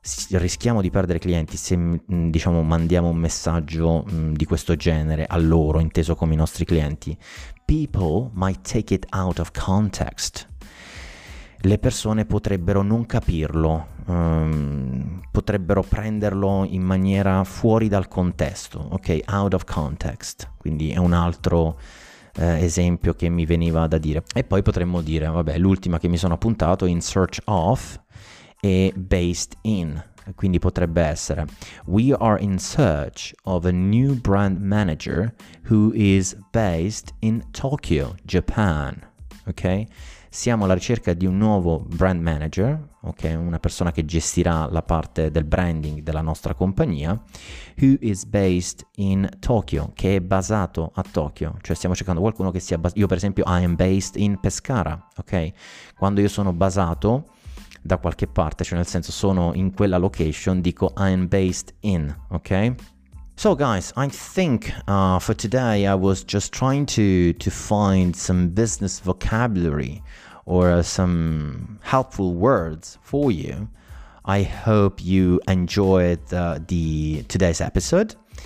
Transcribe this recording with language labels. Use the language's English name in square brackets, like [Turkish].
[Italian] Rischiamo di perdere clienti se, diciamo, mandiamo un messaggio di questo genere a loro, inteso come i nostri clienti. [English] People might take it out of context. [Italian] Le persone potrebbero non capirlo, potrebbero prenderlo in maniera fuori dal contesto, ok? [English] Out of context. [Italian] Quindi è un altro esempio che mi veniva da dire. E poi potremmo dire, vabbè, l'ultima che mi sono appuntato, in search of e based in. Quindi potrebbe essere, [English] we are in search of a new brand manager who is based in Tokyo, Japan. Ok? [Italian] Siamo alla ricerca di un nuovo brand manager, ok, una persona che gestirà la parte del branding della nostra compagnia, [English] who is based in Tokyo, [Italian] che è basato a Tokyo. Cioè stiamo cercando qualcuno che sia basato, io per esempio [English] I am based in Pescara, [Italian] ok? Quando io sono basato da qualche parte, cioè nel senso sono in quella location, dico [English] I am based in, [Italian] ok? [English] So guys, I think for today I was just trying to find some business vocabulary or some helpful words for you. I hope you enjoyed the today's episode.